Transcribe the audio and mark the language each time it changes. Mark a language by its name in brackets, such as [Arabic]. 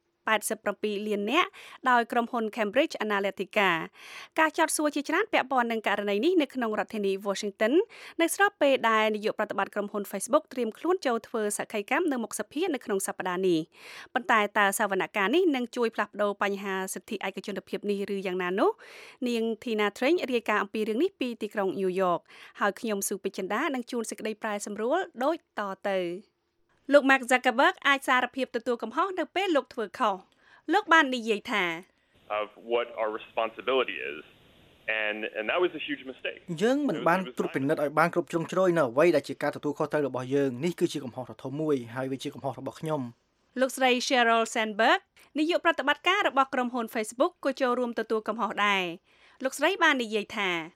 [Khmer] 787លាននាក់ដោយក្រុមហ៊ុន Cambridge Analytica ការចោទសួរជាច្រើនពាក់ព័ន្ធនឹងករណីនេះនៅក្នុងរដ្ឋធានី Washington នៅស្របពេលដែលនាយកប្រតិបត្តិក្រុមហ៊ុន Facebook ត្រៀមខ្លួនចូលធ្វើសកម្មភាពនៅមុខសភានៅក្នុងសប្តាហ៍នេះប៉ុន្តែតើសវនកម្មនេះនឹងជួយផ្លាស់ប្ដូរបញ្ហាសិទ្ធិឯកជនភាពនេះឬយ៉ាងណានោះ នាង Tina Train រាយការណ៍អំពីរឿងនេះពីទីក្រុង New York ហើយខ្ញុំស៊ូពេជ្ជដានឹងជួនសេចក្តីប្រែសម្រួលដូចតទៅលោក Mark Zuckerberg អាចសារភាពទទួលកំហុសនៅពេលលោកធ្វើខុសលោកបាននិយាយថា [English] of what our responsibility is and that was a huge mistake [Khmer] យើងមិនបានត្រួតពិនិត្យឲ្យបានគ្រប់ជ្រុងជ្រោយនៅអ្វីដែលជាការទទួលខុសត្រូវរបស់យើងនេះគឺជាកំហុសដ៏ធំមួយហើយវាជាកំហុសរបស់ខ្ញុំ លោកស្រី Sheryl Sandberg នាយកប្រតិបត្តិការរបស់ក្រុមហ៊ុន Facebook ក៏ចូលរួមទទួលកំហុសដែរលោកស្រីបាននិយាយថា